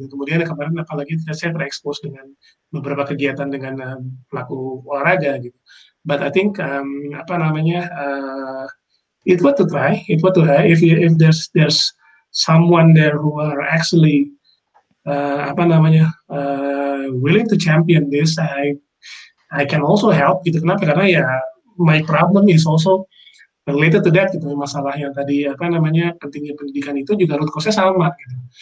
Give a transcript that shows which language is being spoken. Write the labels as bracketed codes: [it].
[id] Dan kemudian kemarin apalagi saya terekspos dengan beberapa kegiatan dengan pelaku olahraga gitu. [en] But I think it's worth to try. It's worth to try. If there's someone there who are actually willing to champion this, I can also help gitu. Kenapa? [id] Karena ya [en] my problem is also related to that gitu. [id] Masalah yang tadi pentingnya pendidikan itu juga root cause-nya sama gitu.